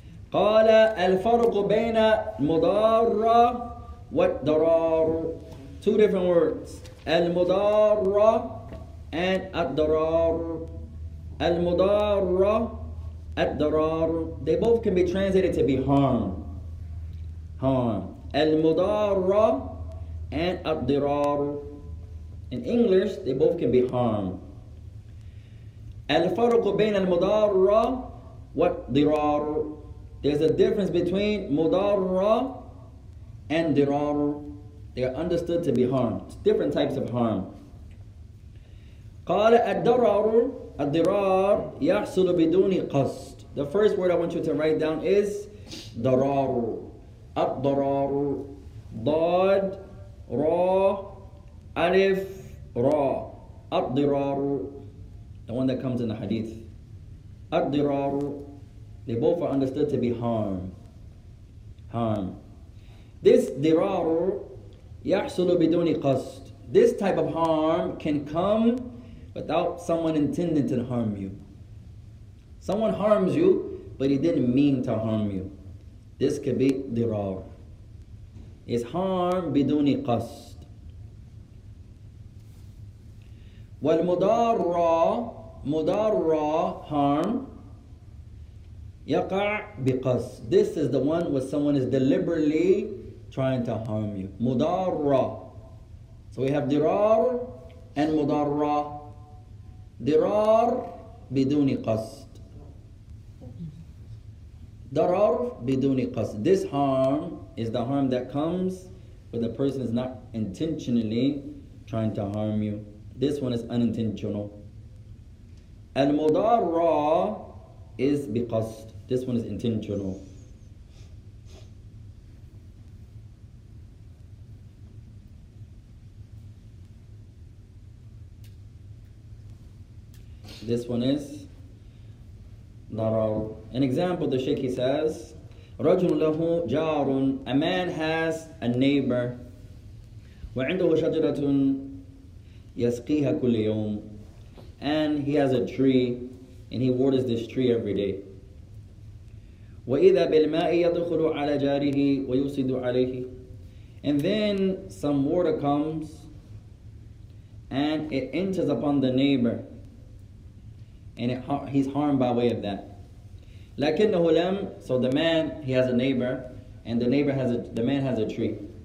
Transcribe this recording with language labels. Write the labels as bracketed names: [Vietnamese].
[Arabic] قال الفرق بين مضار والضرار. [English] Two different words. [Arabic] المضار and الضرار. المضار الضرار. [English] They both can be translated to be harm. Harm. [Arabic] Al-mudarra and al-dirar. [English] In English, they both can be harm. [Arabic] Al-faruqu bayn al-mudarra wa dirar. [English] There's a difference between mudarra and dirar. They are understood to be harm. It's different types of harm. [Arabic] Qala al-dirar, al-dirar yahsulu biduni qasd. [English] The first word I want you to write down is darar. الضرار. [Arabic] ضاد را ألف را الضرار. [English] The one that comes in the hadith. [Arabic] الضرار. [English] They both are understood to be harm. Harm. [Arabic] This ضرار يحصل بدون قصد. [English] This type of harm can come without someone intending to harm you. Someone harms you, but he didn't mean to harm you. This could be ضرار. It's harm [Arabic] بدون قصد. والمضار مضار harm يقع بقصد. [English] This is the one where someone is deliberately trying to harm you. [Arabic] مضار. [English] So we have ضرار and مضار. [Arabic] ضرار بدون قصد. Darar biduni qas. [English] This harm is the harm that comes when the person is not intentionally trying to harm you. This one is unintentional. Al mudarra is biqasd. This one is intentional. This one is ضرار. An example, the Sheikh, he says, [Arabic] رجل له جار. [English] A man has a neighbor. [Arabic] وعنده شجرة يسقيها كل يوم. [English] And he has a tree, and he waters this tree every day. [Arabic] وإذا بالماء يدخل على جاره ويصيد عليه. [English] And then some water comes, and it enters upon the neighbor, and he's harmed by way of that. [Arabic] لكنه لم. [English] So the man, he has a neighbor, and the neighbor has a, the man has a tree.